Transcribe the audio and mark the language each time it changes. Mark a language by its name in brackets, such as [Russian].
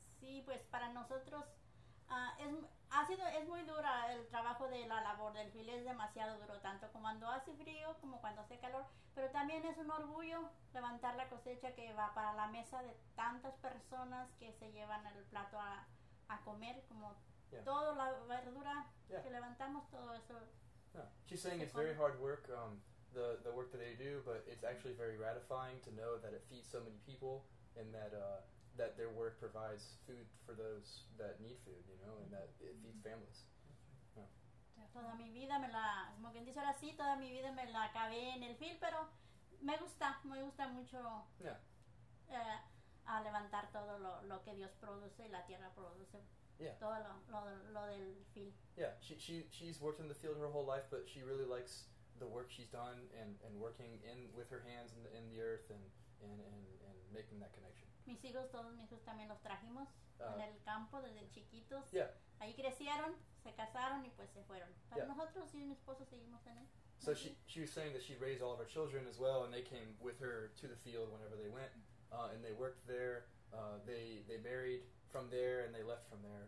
[Spanish] Sí, pues para nosotros es muy dura el trabajo de la labor del fil, es demasiado duro, tanto como cuando hace frío como cuando hace calor, pero también es un orgullo levantar la cosecha que va para la mesa de tantas personas que se llevan el plato a comer, como toda la verdura que levantamos, todo eso. [English] She's saying it's very hard work, the work that they do, but it's actually very gratifying to know that it feeds so many people and that that their work provides food for those that need food, you know, and that it feeds families. [Spanish] Toda mi vida me la, como quien dice ahora sí, toda mi vida me la acabé en el fil, pero me gusta mucho a levantar todo lo que Dios produce y la tierra produce. [English] Yeah. [Spanish] Todo lo del fil. [English] Yeah, she's worked in the field her whole life, but she really likes the work she's done and working in with her hands in the earth and making that connection. [Spanish] Mis hijos, todos mis hijos también los trajimos en el campo desde chiquitos. [English] Yeah. [Spanish] Ahí crecieron, se casaron y pues se fueron. Pero nosotros y mi esposo seguimos en él. [English] So she was saying that she raised all of her children as well, and they came with her to the field whenever they went, and they worked there. They married from there and they left from there.